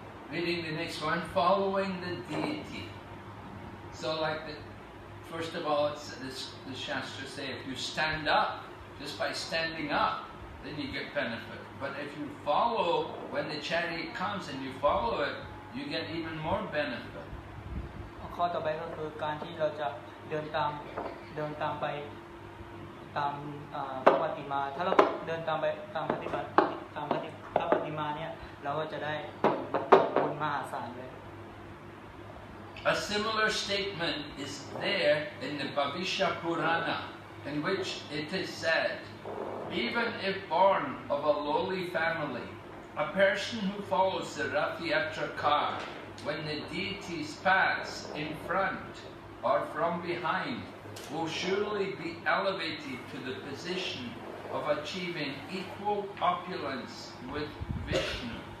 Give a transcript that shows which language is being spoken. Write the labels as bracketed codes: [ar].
[en] Reading the next one, following the deity. So like the first of all, the Shastras say, if you stand up, just by standing up, then you get benefit But if you follow, when the chariot comes and you follow it, you get even more benefit. [th] ข้อต่อไปก็คือการที่เราจะเดินตามไปตามพระปฏิมาถ้าเราเดินตามไปตามพระปฏิมาเนี่ยเราก็จะได้บุญมหาศาลเลย [en] A similar statement is there in the Bhavishya Purana in which it is said even if born of a lowly family a person who follows the Rathi Yatra car when the deities pass in front or from behind will surely be elevated to the position of achieving equal opulence with Vishnu.